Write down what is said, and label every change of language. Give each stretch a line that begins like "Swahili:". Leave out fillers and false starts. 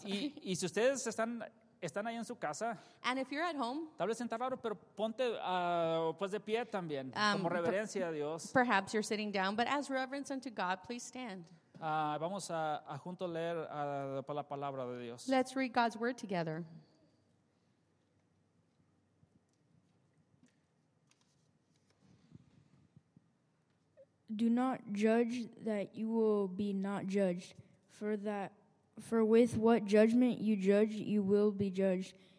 Spanish: Y si ustedes están ahí en su casa,
English: and if you're at home,
Spanish: tal vez está raro, pero ponte pues de pie también, como reverencia a Dios.
English: Perhaps you're sitting down, but as reverence unto God, please stand.
Spanish: Vamos a junto leer la palabra de Dios.
English: Let's read God's word together.
Spanish: Y
English: Do not judge that you will be not judged. For with what judgment you judge, you will be judged.